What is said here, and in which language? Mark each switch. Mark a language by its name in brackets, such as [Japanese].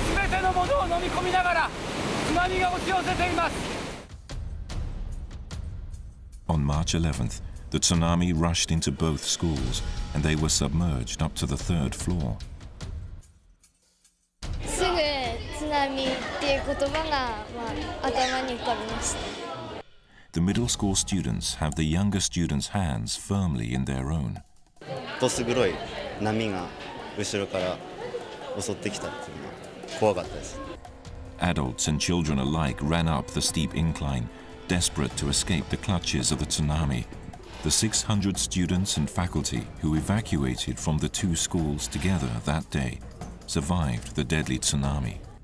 [Japanese] てのものを飲み込みながら津波が押し寄せています。 [English] On March 11th, the tsunami rushed into both schools and they were submerged up to the third floor. [Japanese] すぐ津波っていう言葉が、頭に浮かびました。 [English] The middle school students have the younger students' hands firmly in their own. [Japanese] どす黒い波が後ろから襲ってきたっていうのは怖かったです。 [English] Adults and children alike ran up the steep incline, desperate to escape the clutches of the tsunami. The 600 students and faculty who evacuated from the two schools together that day survived the deadly tsunami.